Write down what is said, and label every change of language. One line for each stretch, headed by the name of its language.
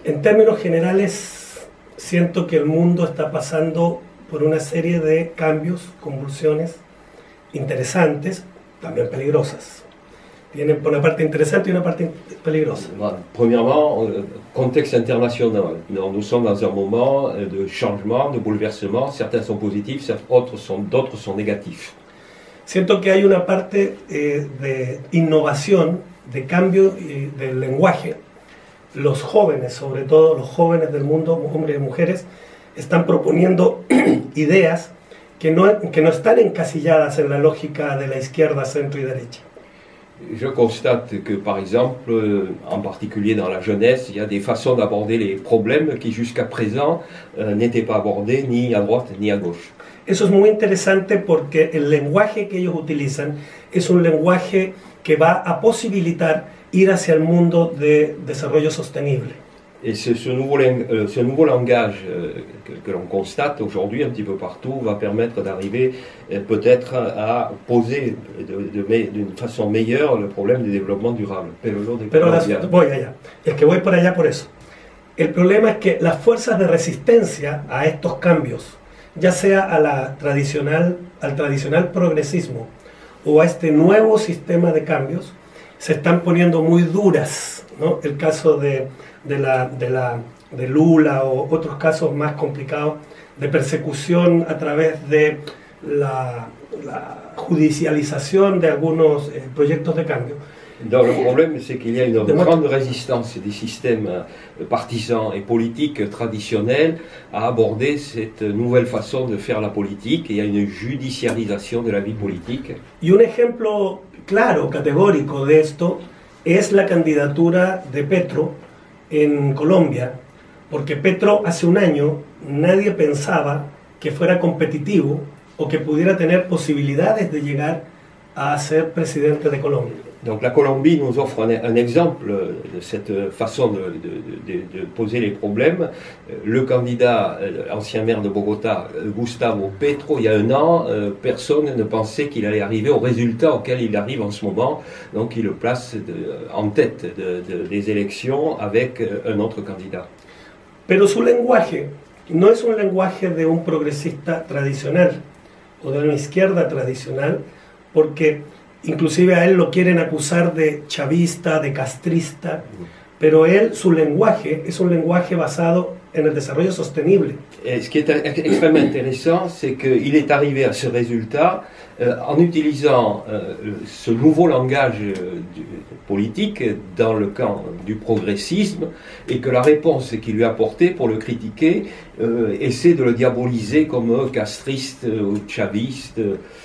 Spanish: En términos generales, siento que el mundo está pasando por una serie de cambios, convulsiones interesantes, también peligrosas. tiene una parte interesante y una parte peligrosa.
French: Premièrement, contexte international. Nous sommes dans un moment de changement, de bouleversement. Certains sont positifs, d'autres sont négatifs.
Spanish: Siento que hay una parte de innovación, de cambio del lenguaje. Los jóvenes, sobre todo los jóvenes del mundo, hombres y mujeres, están proponiendo ideas que no están encasilladas en la lógica de la izquierda, centro y derecha.
French: Je constate que, par exemple, en particulier dans la jeunesse, il y a des façons d'aborder les problèmes qui, jusqu'à présent, n'étaient pas abordés ni à droite ni à gauche.
Spanish: Eso es muy interesante porque el lenguaje que ellos utilizan es un lenguaje que va a posibilitar ir hacia el mundo de desarrollo sostenible.
French: Et ce nouveau langage que l'on constate aujourd'hui un petit peu partout va permettre d'arriver peut-être à poser d'une façon meilleure le problème du développement durable.
Spanish: El problema es que las fuerzas de resistencia a estos cambios, ya sea a la tradicional, al tradicional progresismo o a este nuevo sistema de cambios, se están poniendo muy duras, ¿no? El caso de Lula o otros casos más complicados de persecución a través de la judicialización de algunos proyectos de cambio.
French: Donc, le problème, c'est qu'il y a une grande résistance des systèmes partisans et politiques traditionnels à aborder cette nouvelle façon de faire la politique. Il y a une judiciarisation de la vie politique.
Spanish: Y un ejemplo claro, categórico de esto es la candidatura de Petro en Colombia, porque Petro hace un año nadie pensaba que fuera competitivo o que pudiera tener posibilidades de llegar a ser presidente de Colombia.
French: Donc la Colombie nous offre un exemple de cette façon de poser les problèmes. Le candidat, ancien maire de Bogota, Gustavo Petro, il y a un an, personne ne pensait qu'il allait arriver au résultat auquel il arrive en ce moment. Donc il le place en tête des élections avec un autre candidat.
Spanish: Pero su lenguaje no es un lenguaje de un progresista tradicional o de una izquierda tradicional, porque inclusive a él lo quieren acusar de chavista, de castrista, pero él, su lenguaje, es un lenguaje basado en el desarrollo sostenible.
French: Ce qui est extrêmement intéressant, c'est qu'il est arrivé à ce résultat en utilisant ce nouveau langage politique dans le camp du progressisme, et que la réponse qu'il lui a portée pour le critiquer, essaie de le diaboliser comme castriste ou chaviste.